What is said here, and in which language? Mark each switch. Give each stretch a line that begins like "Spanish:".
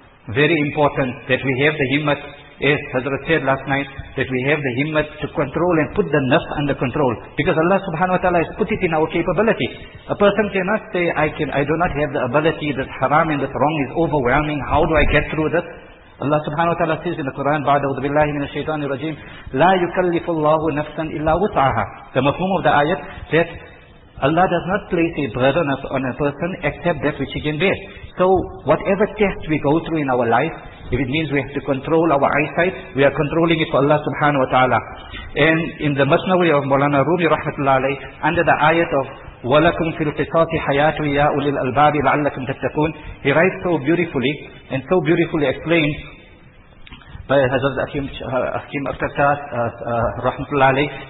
English: Very important that we have the himmat, as Hazrat said last night, that we have the himmat to control and put the nafs under control. Because Allah subhanahu wa ta'ala has put it in our capability. A person cannot say, I do not have the ability, this haram and this wrong is overwhelming, how do I get through this? Allah subhanahu wa ta'ala says in the Quran,
Arabic: بَعْدَهُ بِاللَّهِ مِنَ الشَّيْطَانِ الرَّجِيمِ لَا يُكَلِّفُ اللَّهُ نَفْسًا إِلَّا وُسْعَهَا.
English: The mafhum of the ayat, that Allah does not place a burden on a person except that which he can bear. So whatever test we go through in our life, if it means we have to control our eyesight, we are controlling it for Allah subhanahu wa ta'ala. And in the Masnawi of Mawlana Rumi rahmatullah alayhi, under the ayat of
Arabic: وَلَكُمْ فِي الْقِصَاصِ حَيَاتُ يَا أُولِي الْأَلْبَابِ لَعَلَّكُمْ تَتَّقُونَ,
English: he writes so beautifully and so beautifully explained by Hazrat Akim Akhtar rahmatullah alayhi.